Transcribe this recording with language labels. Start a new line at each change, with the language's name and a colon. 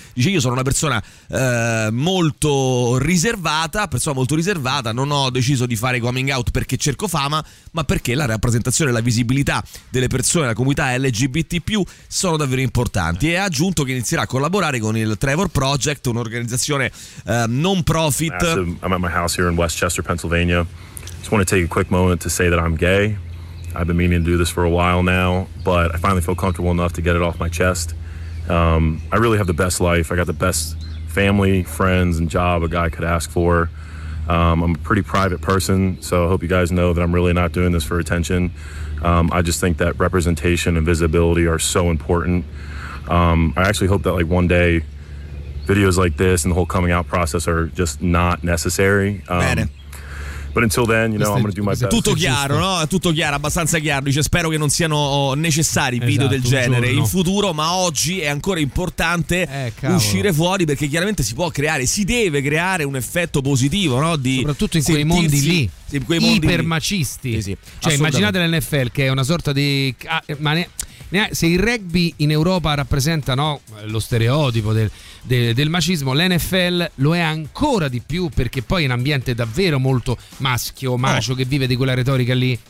Italian: Dice: io sono una persona molto riservata, non ho deciso di fare coming out perché cerco fama, ma perché la rappresentazione e la visibilità delle persone della comunità LGBT+ sono davvero importanti. E ha aggiunto che inizierà a collaborare con il Trevor Project, un'organizzazione non profit.
English: I'm at my house here in Westchester, Pennsylvania. Just want to take a quick moment to say that I'm gay. I've been meaning to do this for a while now, but I finally feel comfortable enough to get it off my chest. I really have the best life. I got the best family, friends, and job a guy could ask for. I'm a pretty private person, so I hope you guys know that I'm really not doing this for attention. I just think that representation and visibility are so important. I actually hope that like one day videos like this and the whole coming out process are just not necessary. But until then, you know, I'm gonna do my best.
Italian: Tutto chiaro, no? Tutto chiaro, abbastanza chiaro. Dice: spero che non siano necessari video, esatto, del genere in futuro, ma oggi è ancora importante uscire fuori, perché chiaramente si può creare, si deve creare un effetto positivo, no? Di soprattutto in quei mondi lì. In quei mondi ipermacisti. Sì, sì. Cioè, immaginate l'NFL, che è una sorta di... se il rugby in Europa rappresenta, no, lo stereotipo del machismo, l'NFL lo è ancora di più, perché poi è un ambiente davvero molto maschio, macio, che vive di quella retorica lì.